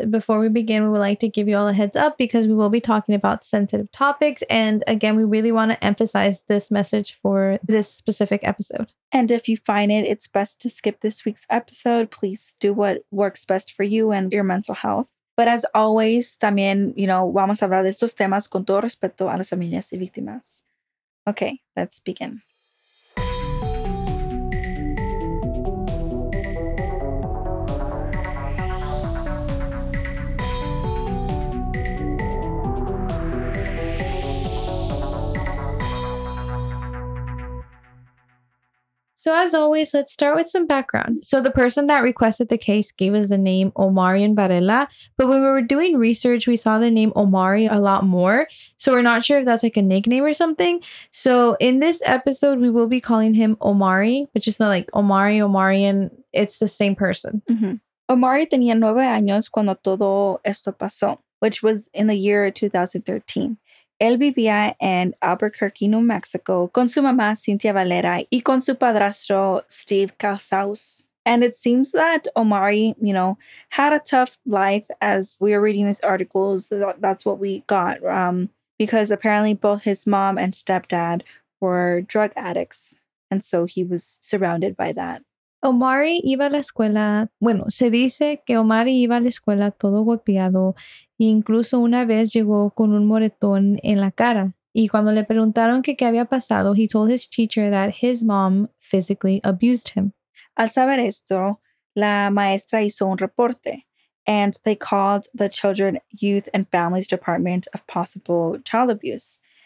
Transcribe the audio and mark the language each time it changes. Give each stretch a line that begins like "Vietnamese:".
English: Before we begin, we would like to give you all a heads up because we will be talking about sensitive topics. And again, we really want to emphasize this message for this specific episode. And if you find it's best to skip this week's episode, please do what works best for you and your mental health. But as always,
Spanish: también,
English: you know,
Spanish: vamos a hablar de estos temas con todo respeto a las familias y víctimas.
English: Okay, let's begin. Okay. So as always, let's start with some background. So the person that requested the case gave us the name Omarion Varela. But when we were doing research, we saw the name Omari a lot more. So we're not sure if that's like a nickname or something. So in this episode, we will be calling him Omari, which is not like Omari, Omarion. It's the same person. Mm-hmm.
Spanish: Omari tenía 9 años cuando todo esto pasó,
English: which was in the year 2013.
Spanish: Él vivía en Albuquerque, New Mexico, con su mamá, Cynthia Valera, y con su padrastro, Steve Casaus.
English: And it seems that Omari, you know, had a tough life as we were reading these articles. That's what we got, because apparently both his mom and stepdad were drug addicts. And so he was surrounded by that.
Spanish: Omari iba a la escuela, bueno, se dice que Omari iba a la escuela todo golpeado, e incluso una vez llegó con un moretón en la cara. Y cuando le preguntaron que qué había pasado,
English: he told his teacher that his mom physically abused him.
Spanish: Al saber esto, la maestra hizo un reporte,
English: and they called the Children, Youth, and Families Department of Possible Child Abuse.